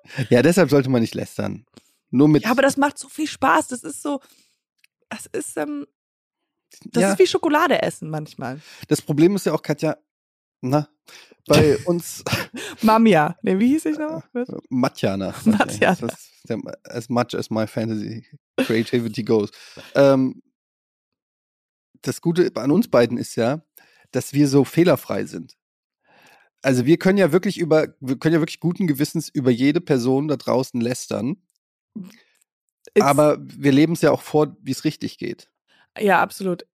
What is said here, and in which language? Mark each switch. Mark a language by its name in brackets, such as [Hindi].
[German] Ja, deshalb sollte man nicht lästern. Nur mit. Ja, aber das macht so viel Spaß. Das ist so. Das ist. Das ist wie Schokolade essen manchmal. Das Problem ist ja auch, Katja, na, bei uns. Mamia. Ne, wie hieß ich noch? Matjana. Matjana. [English] As much as my fantasy creativity goes. [German] Das Gute an uns beiden ist ja, dass wir so fehlerfrei sind. Also wir können ja wirklich guten Gewissens über jede Person da draußen lästern. Aber wir leben es ja auch vor, wie es richtig geht. Ja, absolut.